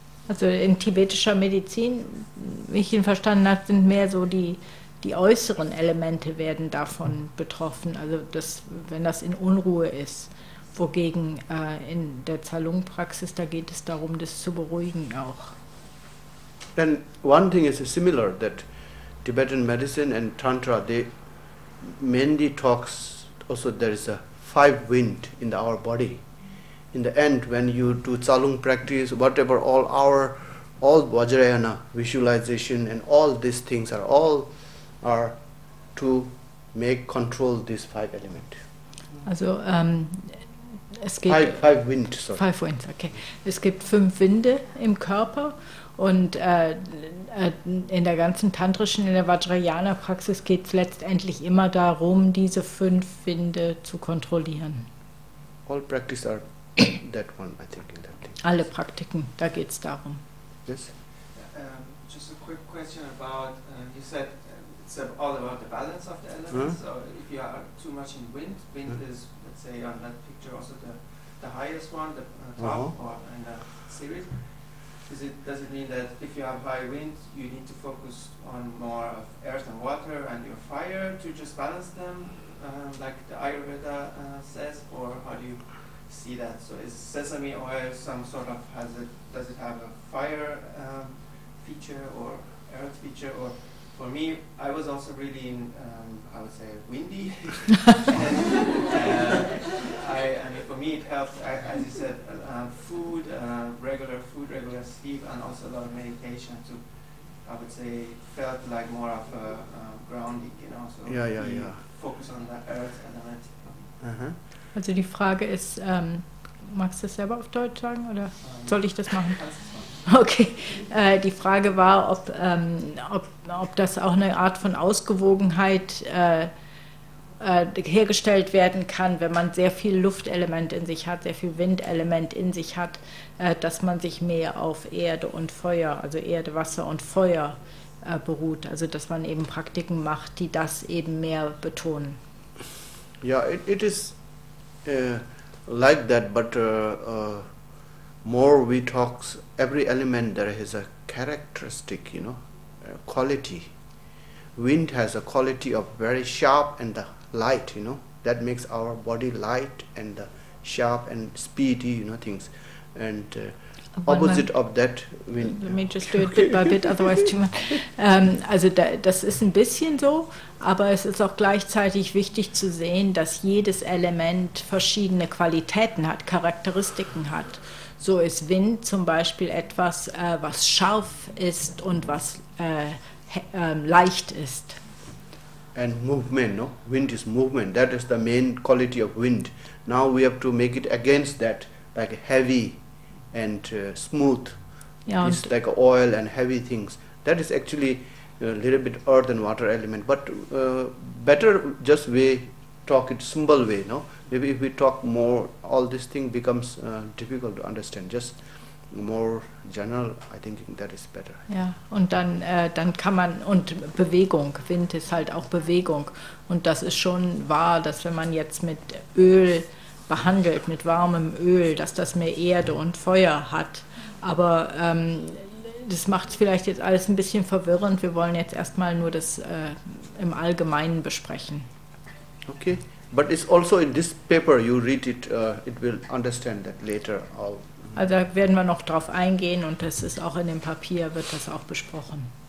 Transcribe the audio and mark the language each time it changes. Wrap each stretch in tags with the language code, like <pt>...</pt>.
<de>Also in tibetischer Medizin, wie ich ihn verstanden habe, sind mehr so die äußeren Elemente werden davon betroffen, also das, wenn das in Unruhe ist. Wogegen in der Zalung-Praxis, da geht es darum, das zu beruhigen auch.</de> <en>And one thing is similar, that Tibetan medicine and Tantra, they mainly talks also there is a five wind in our body. In the end, when you do Zalung practice, whatever all Vajrayana visualization and all these things are to make control these five elements.</en> <de>Also es gibt</de> <en>five winds, okay.</en> <de>Es gibt fünf Winde im Körper und in der ganzen tantrischen, in der Vajrayana-Praxis geht es letztendlich immer darum, diese fünf Winde zu kontrollieren.</de> <en>All practices are that one, I think, in that thing.</en> <de>Alle Praktiken, da geht es darum.</de> <en>Yes? Just a quick question about, you said it's all about the balance of the elements. Mm-hmm. So if you are too much in wind mm-hmm. is, let's say, on that picture, also the highest one, the top or in the series. Does it mean that if you have high wind, you need to focus on more of earth and water and your fire to just balance them, like the Ayurveda says, or how do you see that? So is sesame oil some sort of, does it have a fire feature or earth feature? Or for me, I was also really in, I would say, windy. I mean, for me, it helped, as you said, food, regular food, regular sleep, and also a lot of meditation to, I would say, felt like more of a grounding, you know, so focus on the earth element.</en> <de>Also die Frage ist, magst du das selber auf Deutsch sagen oder soll ich das machen? Okay, die Frage war, ob das auch eine Art von Ausgewogenheit hergestellt werden kann, wenn man sehr viel Luftelement in sich hat, sehr viel Windelement in sich hat, dass man sich mehr auf Erde und Feuer, also Erde, Wasser und Feuer beruht, also dass man eben Praktiken macht, die das eben mehr betonen.</de> <en>Ja, it is like that, but more we talk every element there has a characteristic, you know, quality. Wind has a quality of very sharp and the light, you know, that makes our body light and the sharp and speedy, you know, things. And opposite of that wind. Let me just do it bit by bit, otherwise too much.</en> <de>Also das ist ein bisschen so, aber es ist auch gleichzeitig wichtig zu sehen, dass jedes Element verschiedene Qualitäten hat, Charakteristiken hat. So ist Wind zum Beispiel etwas, was scharf ist und was leicht ist.</de> <en>And movement, no? Wind is movement. That is the main quality of wind. Now we have to make it against that, like heavy and smooth. Yeah, it's like oil and heavy things. That is actually a little bit earth and water element. But better just we talk it simple way, no? Maybe if we talk more, all this thing becomes difficult to understand. Just more general, I think that is better.</en> <de>Ja, und dann kann man, und Bewegung, Wind ist halt auch Bewegung. Und das ist schon wahr, dass wenn man jetzt mit Öl behandelt, mit warmem Öl, dass das mehr Erde und Feuer hat. Aber das macht es vielleicht jetzt alles ein bisschen verwirrend. Wir wollen jetzt erstmal nur das im Allgemeinen besprechen. Okay.</de> <en>But it's also in this paper, you read it, it will understand that later.</en> <de>Also werden wir noch drauf eingehen und das ist auch in dem Papier, wird das auch besprochen.</de>